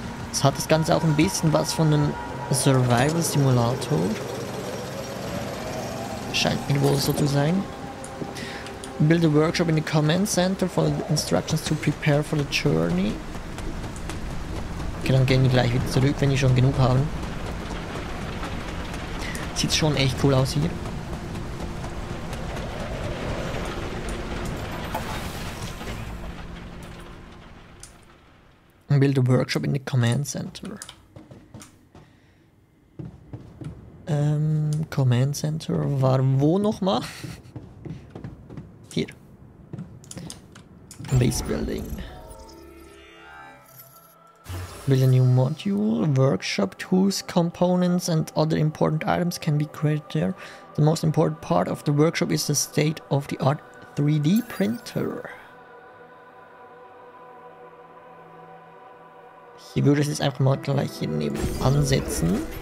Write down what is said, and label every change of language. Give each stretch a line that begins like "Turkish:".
German: Das hat das Ganze auch ein bisschen was von einem Survival Simulator. Scheint mir wohl so zu sein.
English: Build a workshop in the command center for the instructions to prepare for the journey.
German: Okay, dann gehen wir gleich wieder zurück, wenn wir schon genug haben. Sieht schon echt cool aus hier.
English: Build a workshop in the command center.
German: Command center war wo nochmal? Hier.
English: Base building. Build a new module. Workshop tools, components and other important items can be created there. The most important part of the workshop is the state-of-the-art 3D printer.
German: Ich würde es jetzt einfach mal gleich hier neben ansetzen.